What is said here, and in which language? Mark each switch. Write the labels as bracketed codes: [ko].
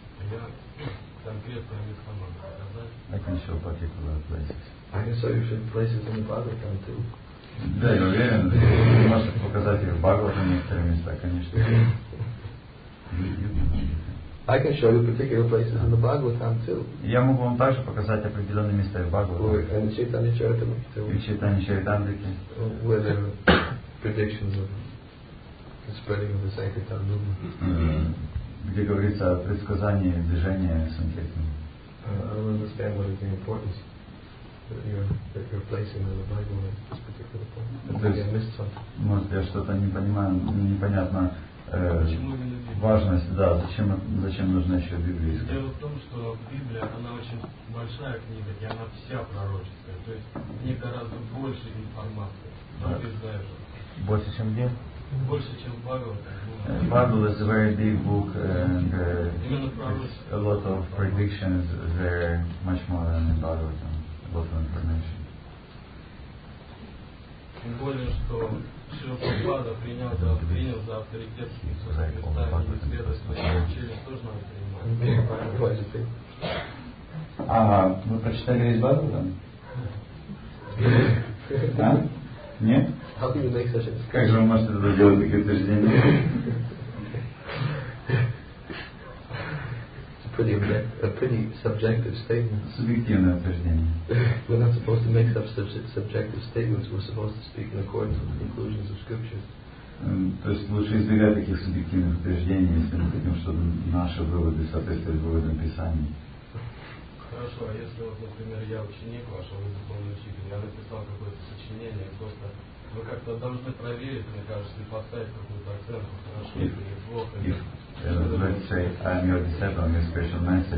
[ru] Я конкретно не смогу показать. [en] I can show particular places. I can show you some places in the Bible [ru] там [en] too. [ru] Да, я уверен. Вы можете показать их в Бхагаватам некоторые места, конечно. [en] I can show you particular places in the Bhagavatam too. [ru] Я могу вам также показать определенные места в Бхагаватам. И Чайтанья Чаритамрите. И Чайтанья Чаритамрите. [en] Where there are predictions of the spreading of the Sankirtan movement. [ru] Где говорится о предсказании движения Санкиртан. [en] I don't understand what is the importance that you're placing in the Bible at this particular point. Maybe I missed something. [ru] Может, я что-то не понимаю, непонятно. Важность, да, зачем нужна еще Библия? Дело в том, что Библия, она очень большая книга, и она вся пророческая. То есть в ней гораздо больше информации. Да. Больше, чем где? Больше, чем в Бхагавате. [en] Bible is a very big book, and a lot of predictions there, much more than in Bhagavate, a lot of information. [ru] Тем более, что Шрила Прабхупада принял за авторитет Иисуса Христа, и исследователи тоже надо принимать. А, вы прочитали весь Бхагаватам? Да? Нет? [en] How can you make such a... [ru] Как же вы можете это делать, такие утверждения? [en] It's a pretty subjective statement. [ru] Субъективное утверждение. [en] We're not supposed to make such subjective statements. We're supposed to speak in accordance with the conclusions of scriptures. [ru] То есть лучше избегать таких субъективных утверждений, если мы хотим, чтобы наши выводы соответствовали выводам Писания. Хорошо, а если вот, например, я ученик ваш, а вы духовный учитель, я написал какое-то сочинение, просто вы как-то должны проверить, мне кажется, и поставить какую-то оценку, хорошо или плохо. [en] Let's say I'm your disciple, I'm your spiritual master.